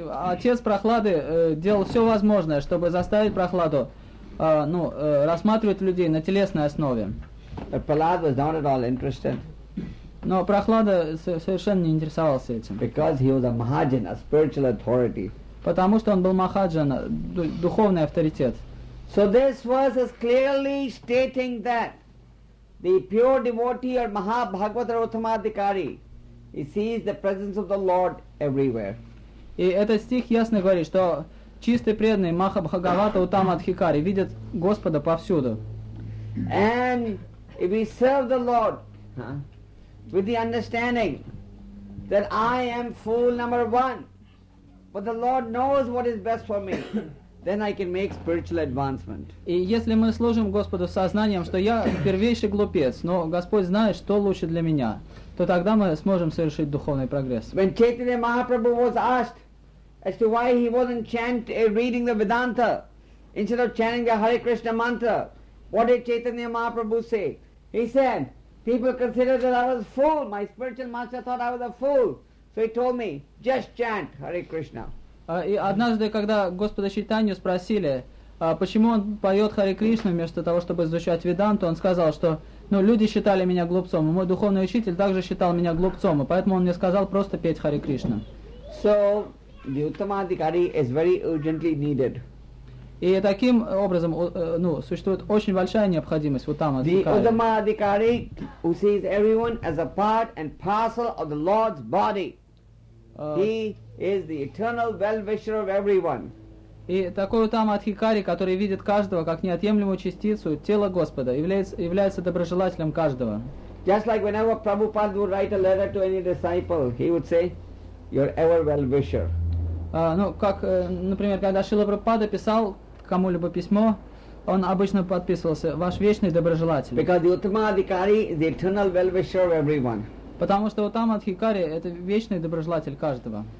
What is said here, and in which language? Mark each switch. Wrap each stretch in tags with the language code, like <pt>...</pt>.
<ru>Отец Прохлады делал все возможное, чтобы заставить Прохладу рассматривать людей на телесной основе.</ru> <en>But Prahlad was not at all interested.</en> <ru>Но Прохлада совершенно не интересовался этим.</ru> <en>Because he was a Mahajan, a spiritual authority.</en> <ru>Потому что он был Махаджан, духовный авторитет.</ru> <en>So this verse is clearly stating that the pure devotee or Mahabhagavata Uttama Adhikari, he sees the presence of the Lord everywhere.</en> <ru>И этот стих ясно говорит, что чистый преданный Махабхагавата Уттама Адхикари видит Господа повсюду.</ru> <en>And if we serve the Lord with the understanding that I am fool number one, but the Lord knows what is best for me, then I can make spiritual advancement.</en> <ru>И если мы служим Господу сознанием, что я первейший глупец, но Господь знает, что лучше для меня, то тогда мы сможем совершить духовный прогресс.</ru> <en>When Chaitanya Mahaprabhu was asked as to why he wasn't reading the Vedanta instead of chanting the Hare Krishna mantra, what did Chaitanya Mahaprabhu say? He said, people considered that I was a fool. My spiritual master thought I was a fool. So he told me, just chant Hare Krishna.</en> <ru>И однажды, когда Господа Чайтанью спросили, почему он поет Харе Кришну вместо того, чтобы изучать Веданту, он сказал, что, ну, люди считали меня глупцом, и мой духовный учитель также считал меня глупцом, и поэтому он мне сказал просто петь Харе Кришну.</ru> <en>So, the Uttama Adhikari is very urgently needed.</en> <ru>И таким образом, ну, существует очень большая необходимость в Уттама Адхикари.</ru> <en>The Uttama Adhikari, who sees everyone as a part and parcel of the Lord's body, he is the eternal well-wisher of everyone.</en> <ru>И такой Уттама Адхикари, который видит каждого как неотъемлемую частицу тела Господа, является доброжелателем каждого.</ru> <en>Just like whenever Prabhupada would write a letter to any disciple, he would say, you're ever well-wisher.</en> <ru>Например, когда Шрила Прабхупада писал кому-либо письмо, он обычно подписывался, ваш вечный доброжелатель.</ru> <en>Because the Uttama Adhikari is the eternal well-wisher of everyone.</en> <ru>Потому что Уттама Адхикари – это вечный доброжелатель каждого.</ru>